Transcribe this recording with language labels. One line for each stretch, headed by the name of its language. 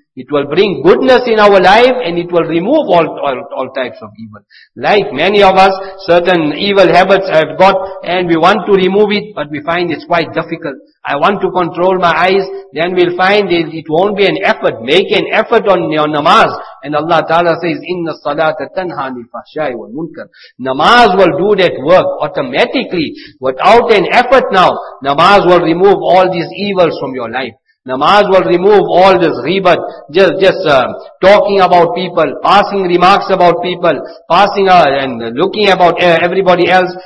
English: It will bring goodness in our life and it will remove all types of evil. Like many of us, certain evil habits have got and we want to remove it, but we find it's quite difficult. I want to control my eyes, then we'll find it won't be an effort. Make an effort on your namaz. And Allah Ta'ala says,
Arabic: إِنَّ الصَّلَاةَ تَنْهَى عَنِ الْفَحْشَاءِ وَالْمُنْكَرِ.
English: Namaz will do that work automatically. Without an effort now, namaz will remove all these evils from your life. Namaz will remove all this ribat, talking about people, passing remarks about people, passing and looking about everybody else.